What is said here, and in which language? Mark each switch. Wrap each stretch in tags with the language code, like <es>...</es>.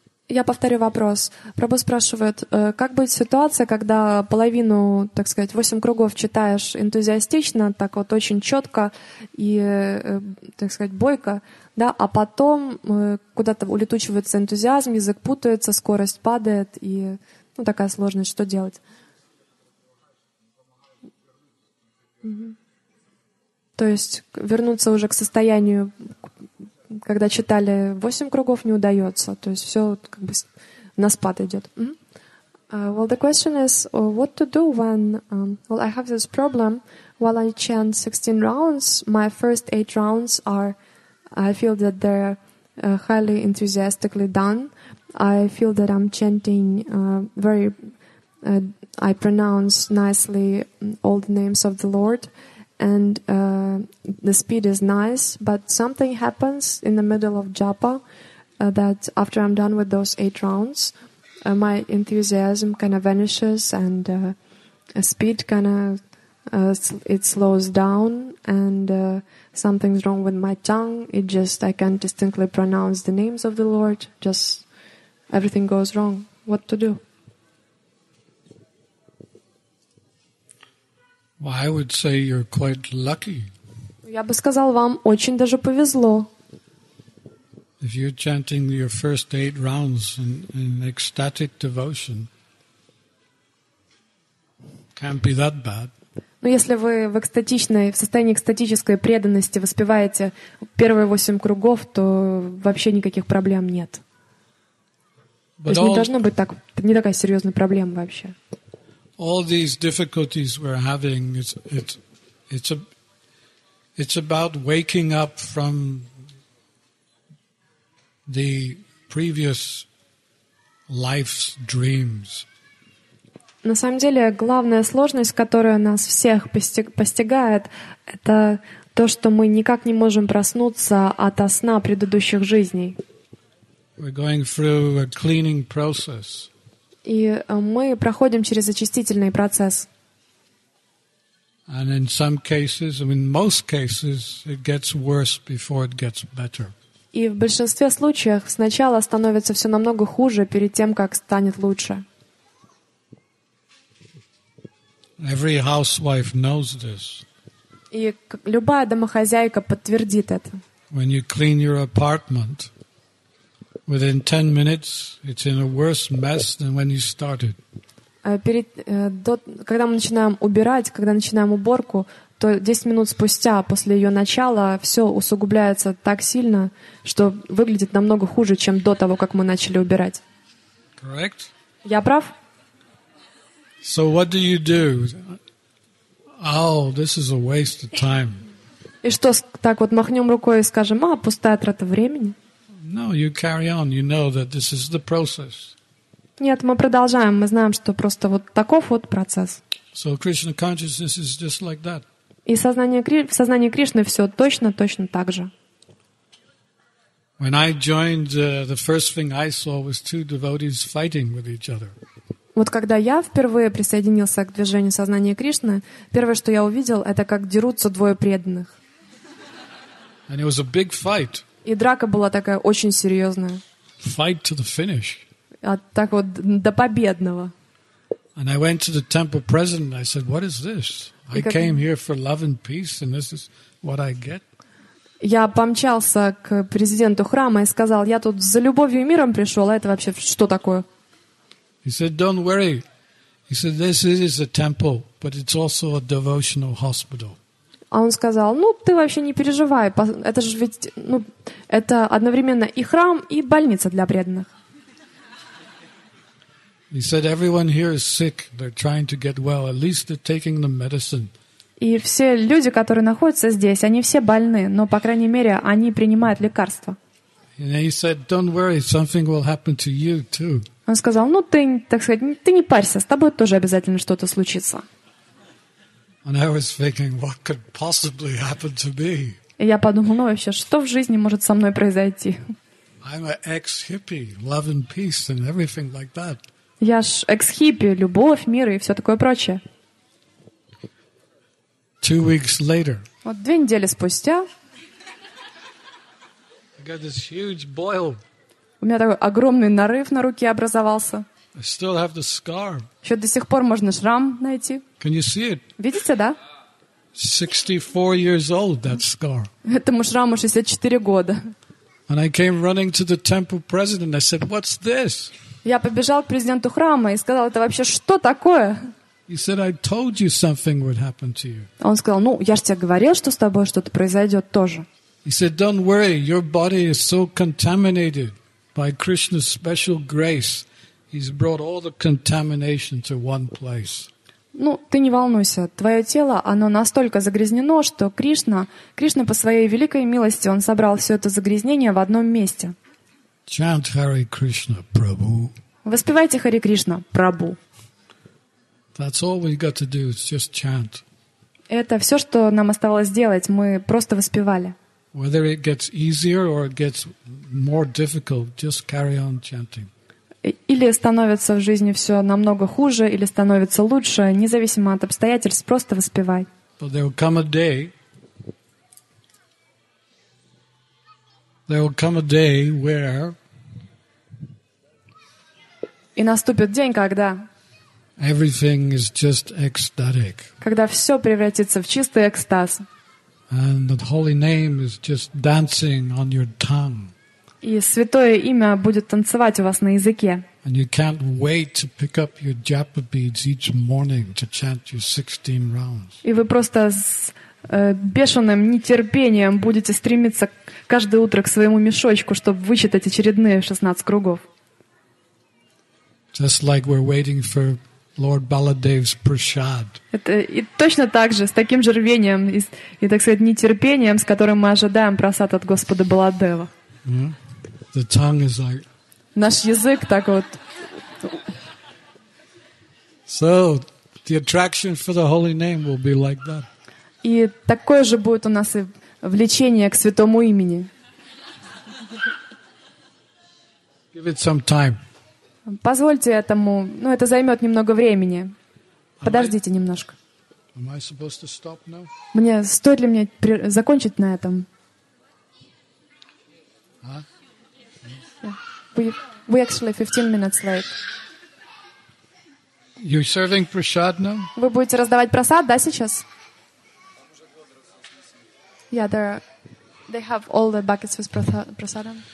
<ru>Я повторю вопрос. Прабу спрашивает, как будет ситуация, когда половину, так сказать, 8 кругов читаешь энтузиастично, так вот очень четко и, так сказать, бойко, да, а потом куда-то улетучивается энтузиазм, язык путается, скорость падает, и ну, такая сложность, что делать? То есть вернуться уже к состоянию, когда читали 8 кругов, не удается. То есть все как бы на спад идет.</ru> <en>Well, the question is, what to do when... well, I have this problem. While I chant 16 rounds, my first 8 rounds are... I feel that they're highly enthusiastically done. I feel that I'm chanting very... I pronounce nicely all the names of the Lord. And the speed is nice, but something happens in the middle of japa that after I'm done with those 8 rounds, my enthusiasm kind of vanishes and speed kind of it slows down and something's wrong with my tongue. It just, I can't distinctly pronounce the names of the Lord. Just everything goes wrong. What to do? Well, I would say you're quite lucky.</en> <ru>Я бы сказал вам, очень даже повезло.</ru> <en>If you're chanting your first 8 rounds in ecstatic devotion, can't be that bad.</en> <ru>Ну, если вы в экстатичной, в состоянии экстатической преданности воспеваете первые 8 кругов, то вообще никаких проблем нет. То есть не должно быть так, не такая серьезная проблема вообще.</ru> <en>All these difficulties we're having, it's about waking up from the previous life's dreams.</en> <ru>На самом деле, главная сложность, которая нас всех постигает, это то, что мы никак не можем проснуться ото сна предыдущих жизней.</ru> <en>We're going through a cleaning process.</en> <ru>И мы проходим через очистительный процесс.</ru> <en>And in some cases, I mean, most cases, it gets worse before it gets better.</en> <ru>И в большинстве случаев сначала становится все намного хуже перед тем, как станет лучше.</ru> <en>Every housewife knows this.</en> <ru>И любая домохозяйка подтвердит это.</ru> <en>When you clean your apartment, within 10 minutes, it's in a worse mess than when you started.</en> <ru>Когда мы начинаем убирать, когда начинаем уборку, то 10 минут спустя после ее начала все усугубляется так сильно, что выглядит намного хуже, чем до того, как мы начали убирать.</ru> <en>Correct?</en> <ru>Я прав?</ru> <en>So what do you do? Oh, this is a waste of time.</en> <ru>И что, так вот махнем рукой и скажем, а, пустая трата времени?</ru> <en>No, you carry on. You know that this is the process.</en> <ru>Нет, мы продолжаем. Мы знаем, что просто вот таков вот процесс.</ru> <en>So Krishna consciousness is just like that.</en> <ru>И в сознании Кришны все точно так же.</ru> <en>When I joined, the first thing I saw was two devotees fighting with each other.</en> <ru>Вот когда я впервые присоединился к движению сознания Кришны, первое, что я увидел, это как дерутся двое преданных.</ru> <en>And it was a big fight.</en> <ru>И драка была такая очень серьезная.</ru> <en>Fight to the finish.</en> <ru>А так вот до победного.</ru> <en>And I went to the temple president. I said, "What is this? I came here for love and peace, and this is what I get."</en> <ru>Я помчался к президенту храма и сказал: "Я тут за любовью и миром пришел. А это вообще что такое?"</ru> <en>He said, "Don't worry." He said, "This is a temple, but it's also a devotional hospital."</en> <ru>А он сказал, ну, ты вообще не переживай, это же ведь, ну, это одновременно и храм, и больница для преданных.</ru> <en>He said, everyone here is sick, they're trying to get well, at least they're taking the medicine.</en> <ru>И все люди, которые находятся здесь, они все больны, но, по крайней мере, они принимают лекарства.</ru> <en>And he said, don't worry, something will happen to you too.</en> <ru>Он сказал, ну, ты, так сказать, ты не парься, с тобой тоже обязательно что-то случится.</ru> <en>And I was thinking, what could possibly happen to me?</en> <ru>Я подумал, ну вообще, что в жизни может со мной произойти?</ru> <en>I'm an ex-hippie, love and peace and everything like that.</en> <ru>Я ж экс-хиппи, любовь, мир и все такое прочее.</ru> <en>2 weeks later.</en> <ru>Вот 2 недели спустя.</ru> <en>I got this huge boil.</en> <ru>У меня такой огромный нарыв на руке образовался.</ru> <en>I still have the scar.</en> <ru>Еще до сих пор можно шрам найти.</ru> <en>Can you see it?</en> <ru>Видите, да?</ru> <en>64 years old, that scar.</en> <ru>Этому шраму 64 года.</ru> <en>And I came running to the temple president. I said, "What's this?"</en> <ru>Я побежал к президенту храма и сказал: "Это вообще что такое?"</ru> <en>He said, "I told you something would happen to you."</en> <ru>Он сказал: "Ну, я же тебе говорил, что с тобой что-то произойдет тоже."</ru> <en>He said, "Don't worry. Your body is so contaminated by Krishna's special grace. He's brought all the contamination to one place."</en> <ru>Ну, ты не волнуйся. Твое тело, оно настолько загрязнено, что Кришна по своей великой милости, он собрал все это загрязнение в одном месте.</ru> <en>Chant Hare Krishna, Prabhu.</en> <ru>Воспевайте Хари Кришна, Прабу.</ru> <en>That's all we got to do, it's just chant.</en> <ru>Это все, что нам оставалось делать. Мы просто воспевали.</ru> <en>Whether it gets easier or it gets more difficult, just carry on chanting.</en> <ru>Или становится в жизни все намного хуже, или становится лучше, независимо от обстоятельств, просто воспевай.</ru> <en>But there will come a day. There will come a day where.</en> <ru>И наступит день, когда.</ru> <en>Everything is just ecstatic.</en> <ru>Когда все превратится в чистый экстаз.</ru> <en>And the holy name is just dancing on your tongue.</en> <ru>И святое имя будет танцевать у вас на языке.</ru> <en>And you can't wait to pick up your japa beads each morning to chant your 16 rounds.</en> <ru>И вы просто с бешеным нетерпением будете стремиться каждое утро к своему мешочку, чтобы вычитать очередные 16 кругов.</ru> <en>Just like we're waiting for Lord Baladev's prashad.</en> <ru>Это и точно так же, с таким же рвением и так сказать, нетерпением, с которым мы ожидаем прасад от Господа Баладева.</ru> <en>The tongue is like.</en> <ru>Наш язык так вот.</ru> <en>So the attraction for the holy name will be like that.</en> <ru>И такое же будет у нас и влечение к святому имени.</ru> <en>Give it some time.</en> <ru>Позвольте этому, ну это займет немного времени. Подождите немножко.</ru> <en>Am I supposed to stop now?</en> <ru>Мне стоит ли мне закончить на этом?</ru> <en>We actually 15 minutes late. You serving prasad now?</en> <ru>Вы будете раздавать прасад, да, сейчас?</ru> <en>Yeah, they have all the buckets with prasad.</en>